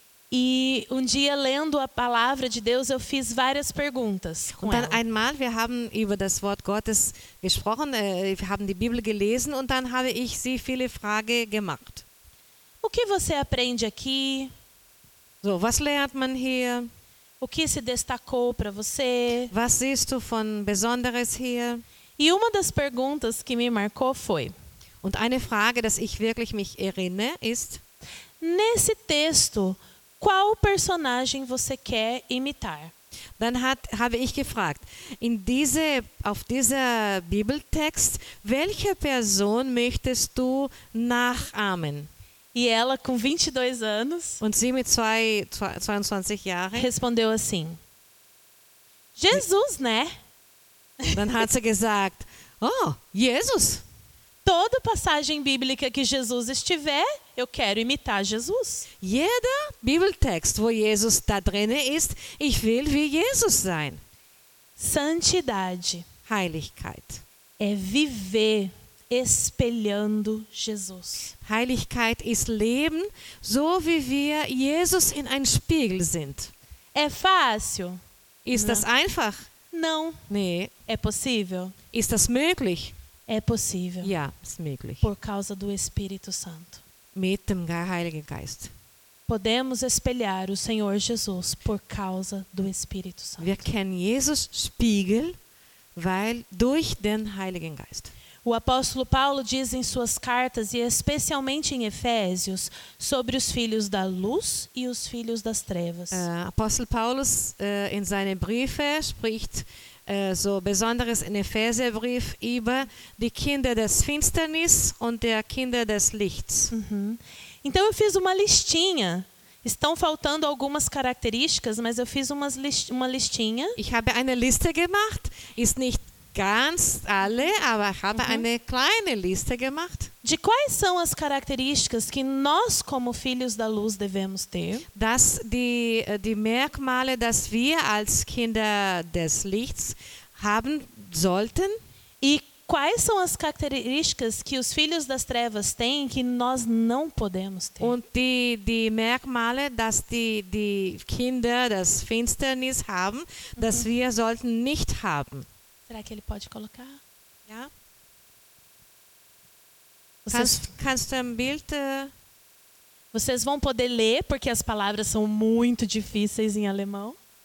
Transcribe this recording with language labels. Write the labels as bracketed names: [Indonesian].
[Portuguese] E dia lendo a palavra de Deus, eu fiz várias perguntas com [German] und dann [Portuguese] ela. [German] Einmal, wir haben über das Wort Gottes gesprochen, wir haben die Bibel gelesen und dann habe ich sie viele Fragen gemacht. [Portuguese] O que você aprende aqui? [German] So, was lernt man hier? [Portuguese] O que se destacou para você? [German] Was siehst du von Besonderes hier? [Portuguese] E uma das perguntas que me marcou foi: [German] und eine Frage, dass ich wirklich mich erinnere, ist: [Portuguese] nesse texto, qual personagem você quer imitar? [German] Dann habe ich gefragt: auf dieser Bibeltext, welche Person möchtest du nachahmen? [Portuguese] E ela, com 22 anos, [German] und sie mit 22 Jahren, [Portuguese] respondeu assim: Jesus, né? [German] Dann hat sie gesagt: oh, Jesus. [Portuguese] toda passagem bíblica que Jesus estiver, eu quero imitar Jesus. [German] Jeder Bibeltext, wo Jesus da drinne ist, ich will wie Jesus sein. [Portuguese] Santidade, [German] Heiligkeit, [Portuguese] é viver espelhando Jesus. [German] Heiligkeit ist leben, so wie wir Jesus in ein Spiegel sind. [Portuguese] É fácil? [German] Ist das einfach? [Portuguese] Não. [German] Nee. [Portuguese] É possível? [German] Ist das möglich? [Portuguese] É possível. [German] Ja, ist möglich. [Portuguese] Por causa do Espírito Santo. [German] Mit dem Heiligen Geist. [Portuguese] Podemos espelhar o Senhor Jesus por causa do Espírito Santo. [German] Wir können Jesus Spiegel, weil durch den Heiligen Geist. [Portuguese] O apóstolo Paulo diz em suas cartas, e especialmente em Efésios, sobre os filhos da luz e os filhos das trevas. [German] Apóstol Paulus in seinen Briefen spricht so besonders in Epheserbrief über die Kinder des Finsternis und der Kinder des Lichts. [Portuguese] Então eu fiz uma listinha. Estão faltando algumas características, mas eu fiz uma listinha. [German] Ich habe eine Liste gemacht. Ist nicht ganz alle, aber ich habe eine kleine Liste gemacht. [Portuguese] De quais são as características que nós como filhos da luz devemos ter? [German] Das die Merkmale, dass wir als Kinder des Lichts haben sollten. [Portuguese] E quais são as características que os filhos das trevas têm que nós não podemos ter? [German] Und die Merkmale, dass die Kinder des Finsternis haben, dass wir sollten nicht haben. [Portuguese] Será que ele pode colocar? [German] Ja. Kannst du ein Bild? [Portuguese] Vocês vão poder ler, porque as palavras são muito difíceis em alemão.